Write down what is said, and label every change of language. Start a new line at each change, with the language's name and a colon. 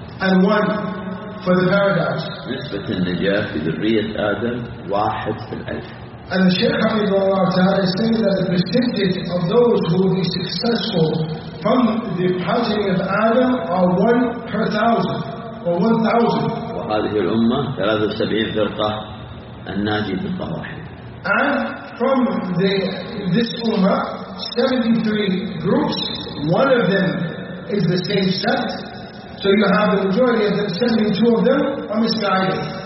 English: And one for the paradise.
Arabic: نسبة النجاة في ذرية آدم 1:1,000.
English: And Shaykh Abdullah Ta'ala is saying that the percentage of those who will be successful from the progeny of Adam are 1 per 1,000 or 1,000.
Arabic: وهذه الأمة 73 فرقة الناجي فرقة واحدة.
English: And from this Ummah, 73 groups, one of them is the same sect. So you have the majority of them, 72 of them are misguided.